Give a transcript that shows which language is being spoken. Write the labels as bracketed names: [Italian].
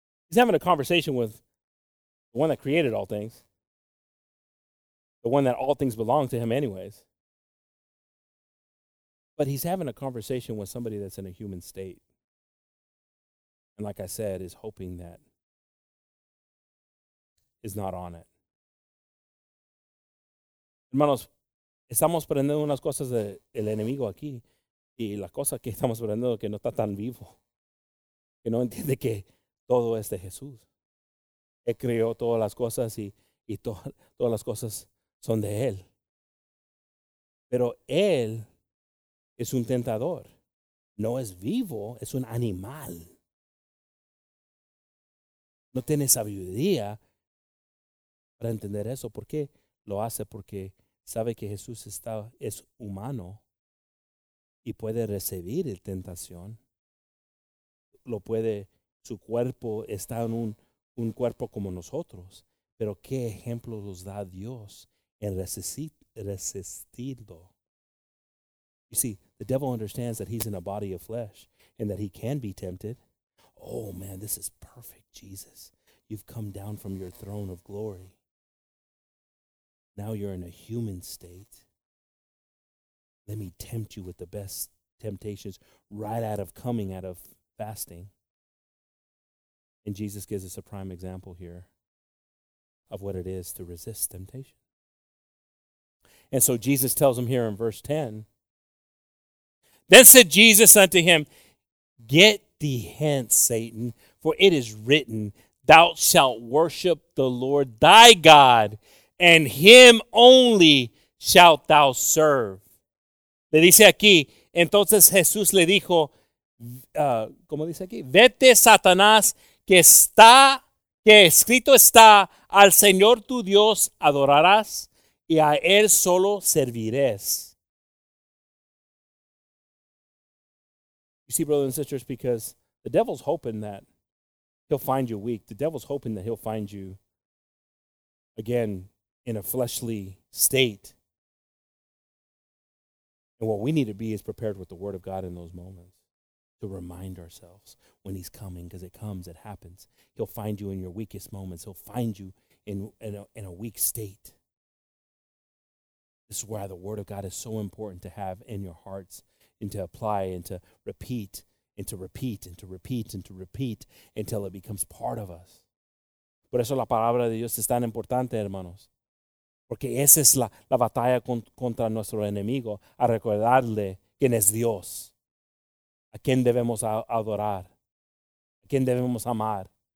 [English] He's having a conversation with the one that created all things, the one that all things belong to him anyways. But he's having a conversation with somebody that's in a human state. And like I said, is hoping that is not on it. [Spanish] Hermanos, estamos aprendiendo unas cosas del enemigo aquí. Y la cosa que estamos hablando que no está tan vivo, que no entiende que todo es de Jesús. Él creó todas las cosas y todas las cosas son de Él. Pero Él es un tentador. No es vivo, es un animal. No tiene sabiduría para entender eso. ¿Por qué lo hace? Porque sabe que Jesús es humano. Y puede recibir la tentación. Lo puede, su cuerpo está en un cuerpo como nosotros. Pero ¿qué ejemplo nos da Dios en resistirlo? [English] You see, the devil understands that he's in a body of flesh and that he can be tempted. Oh man, this is perfect, Jesus. You've come down from your throne of glory. Now you're in a human state. Let me tempt you with the best temptations right out of coming, out of fasting. And Jesus gives us a prime example here of what it is to resist temptation. And so Jesus tells him here in verse 10, then said Jesus unto him, get thee hence, Satan, for it is written, thou shalt worship the Lord thy God, and him only shalt thou serve. [Spanish] Le dice aquí, entonces Jesús le dijo, ¿cómo dice aquí? Vete, Satanás, que escrito está, al Señor tu Dios adorarás y a Él solo servirás. [English] You see, brothers and sisters, because the devil's hoping that he'll find you weak. The devil's hoping that he'll find you, again, in a fleshly state. And what we need to be is prepared with the Word of God in those moments. to remind ourselves when he's coming, because it comes, it happens. He'll find you in your weakest moments. He'll find you in a weak state. This is why the Word of God is so important to have in your hearts, and to apply, and to repeat, and to repeat, and to repeat, and to repeat, until it becomes part of us. [Spanish] Por eso la palabra de Dios es tan importante, hermanos. Porque esa es la batalla contra nuestro enemigo, a recordarle quién es Dios, a quién debemos adorar, a quién debemos amar.